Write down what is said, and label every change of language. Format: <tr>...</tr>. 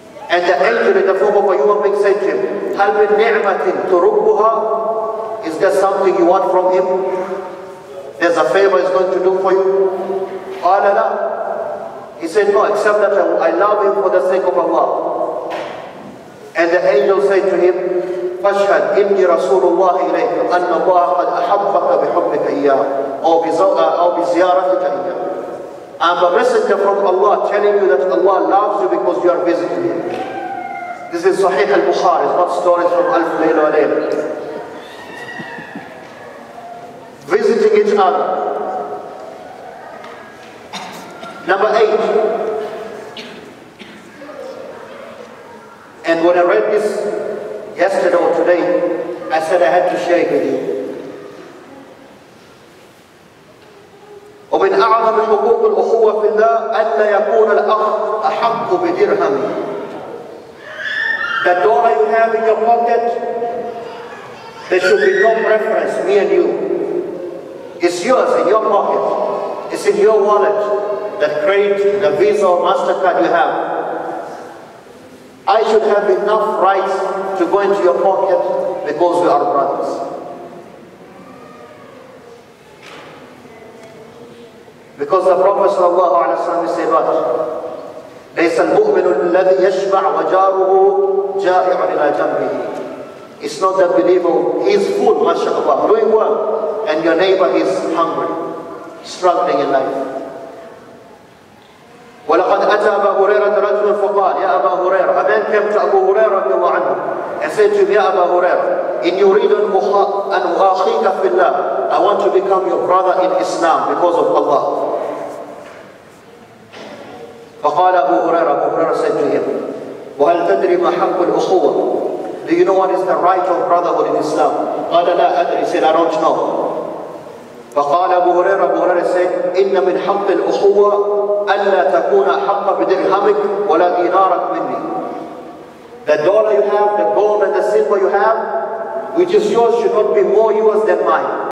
<en>And the angel in the form of a human being said to him,</en> <ar>هَلْ مِنْ نِعْمَةٍ تُرُبُّهَا,</ar> <en>is there something you want from him? There's a favor he's going to do for you?</en> <ar>قَالَ لَا,</ar> <en>he said, no, except that I love him for the sake of Allah. And the angel said to him,</en> <ar>فَاشْهَدْ إِنِّي رَسُولُ اللَّهِ إِلَيْكَ أَنَّ اللَّهَ قَدْ أَحَبَّكَ بِحُبِّكَ إِيَّاهُ أَوْ بِزِيَارَتِكَ إِيَّاهُ.</ar> <en>I'm a messenger from Allah telling you that Allah loves you because you are visiting Him. This is Sahih al-Bukhari, it's not stories from Alf Layla wa Layla. Visiting each other. Number eight. And when I read this yesterday or today, I said I had to share it with you.</en> <ar>ومن أعظم حقوق الأخوة في الله أن لا يكون الأخ أحق بدرهم.</ar> <en>The dollar you have in your pocket, there should be no preference, me and you. It's yours in your pocket. It's in your wallet, the credit, the Visa or MasterCard you have. I should have enough rights to go into your pocket because we are brothers. Because the Prophet sallallahu alaihi wasallam said, "What?</en> <ar>ليس المؤمن الذي يشبع وجاره جائع إلى جنبه."</ar> <en>It's not the believer. He's full, mashallah, doing well, and your neighbor is hungry, struggling in life.</en> <ar>ولقد أتى أبا هريرة</ar> <en>رجل فقال يا أبا هريرة, a man came to Abu Huraira</en> <ar>رضي الله عنه</ar> <en>and said to him,</en> <ar>يا أبا هريرة, إن يريد أن أخيك في الله,</ar> <en>I want to become your brother in Islam because of Allah.</en> <ar>فقال أبو هريرة, أبو هريرة</ar> <en>said to him,</en> <ar>وَهَلْ تَدْرِ مَا حَقُّ الْأُخُوَةِ</ar> <en>Do you know what is the right of brotherhood in Islam?</en> <ar>قَالَ لَا أَدْرِ</ar> <en>He said, I don't know.</en> <ar>فَقَالَ أَبُو هُرَيْرَ أَبُو هُرَيْرَ</ar> <en>said,</en> <ar>إِنَّ مِنْ حَقِّ الْأُخُوَةِ أَلَّا تَكُونَ حَقَّ بِدِرْهَمِكْ وَلَا دِينَارَكْ مِنِّي</ar> <en>The dollar you have, the gold and the silver you have, which is yours, should not be more yours than mine.</en>